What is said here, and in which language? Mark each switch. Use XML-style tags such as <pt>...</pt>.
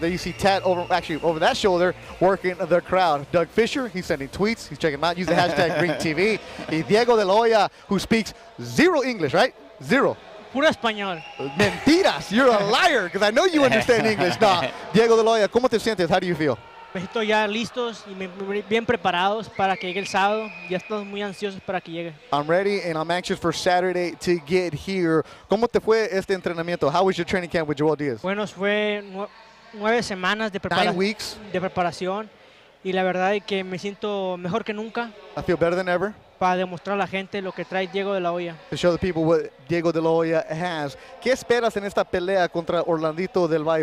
<en>There you see Tat over that shoulder working the crowd. Doug Fisher, he's sending tweets. He's checking them out. Use the hashtag GreenTV. Diego de Loya, who speaks zero English, right? Zero.</en> <es>Pura español. Mentiras.</es> <en>You're a liar because I know you understand English.</en> <es>No. Diego de Loya, ¿cómo te sientes?</es> <en>How do you feel?</en> <es>Me siento ya listos y bien preparados para que llegue el sábado. Ya estamos muy ansiosos para que llegue.</es> <en>I'm ready and I'm anxious for Saturday to get here.</en> <es>¿Cómo te fue este entrenamiento?</es> <en>How was your training camp with Joel Diaz?</en> <es>Bueno, fue nueve semanas de preparación.</es> <en>9 weeks.</en> <es>De preparación. Y la verdad es que me siento mejor que nunca.</es> <en>I feel better than ever.</en> <es>Para demostrar a la gente lo que trae Diego de la Hoya.</es> <en>To show the people what Diego de la Hoya has.</en> <es>¿Qué esperas en esta pelea contra Orlandito del Valle?</es>